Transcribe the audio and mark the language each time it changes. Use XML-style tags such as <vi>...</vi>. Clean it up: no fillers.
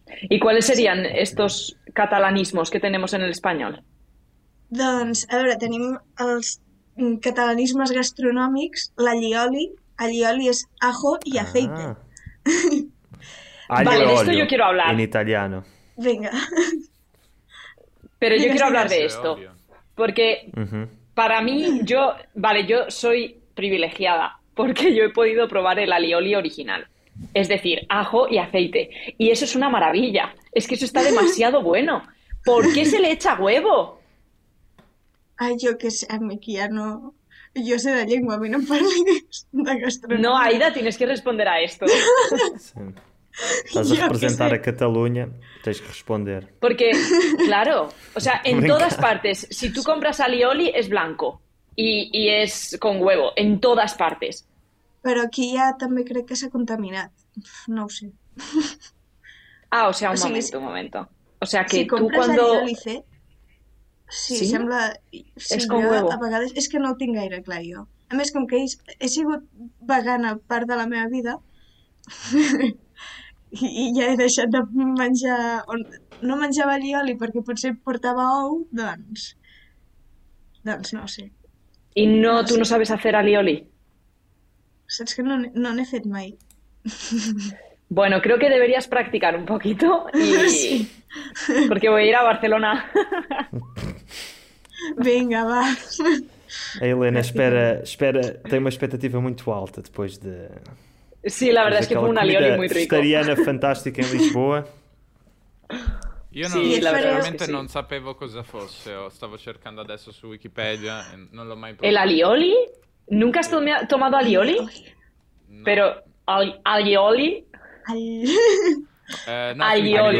<es>¿Y cuáles serían estos catalanismos que tenemos en el español?</es> <ca>Doncs, a veure, tenim els catalanismes gastronòmics, l'allioli. Allioli és ajo i aceite.</ca> <es>Vale, de esto yo quiero hablar. En italiano. Venga. Pero yo quiero hablar de esto. Porque para mí, yo... Vale, yo soy... privilegiada, porque yo he podido probar el alioli original, es decir, ajo y aceite, y eso es una maravilla, es que eso está demasiado bueno. ¿Por qué se le echa huevo? Ay, yo qué sé, a mí que ya no... Yo sé la lengua, a mí no me parla de gastronomía. No, Aida, tienes que responder a esto. Sí. Estás a representar a Cataluña, tienes que responder. Porque, claro, o sea, en todas partes, si tú compras alioli, es blanco. Y es con huevo, en todas partes. Pero aquí ya también creo que se ha contaminado. No sé. Ah, o sea, un momento. O sea, que si tú cuando... Si compras alioli, sí, ¿sí?</es> <ca>Sembla...</ca> <es>Sí, es con huevo.</es> <ca>A vegades...</ca> <es>Es que no lo tengo</es> <ca>gaire clar,</ca> <es>yo.</es> <ca>A més, com que he sigut vegana part de la meva vida, i ja he deixat de menjar... No menjava alioli perquè potser portava ou, doncs... Doncs no sé.</ca> <es>Y no, tú no sabes hacer alioli.</es> <ca>Saps que no n'he fet mai.</ca> <es>Bueno, creo que deberías practicar un poquito. Sí. Porque voy a ir a Barcelona. Venga, va. Helena, espera. Tengo una expectativa muy alta después de... Sí, la verdad es que fue un alioli muy rico. Estariana fantástica en Lisboa.</es> <it>Io non, sì, sinceramente sì. Non sapevo cosa fosse, stavo cercando adesso su Wikipedia e non l'ho mai provato.</it> <es>E l'alioli? Nunca has tomato alioli? No.</es> <it>Però alioli? No, alioli,</it>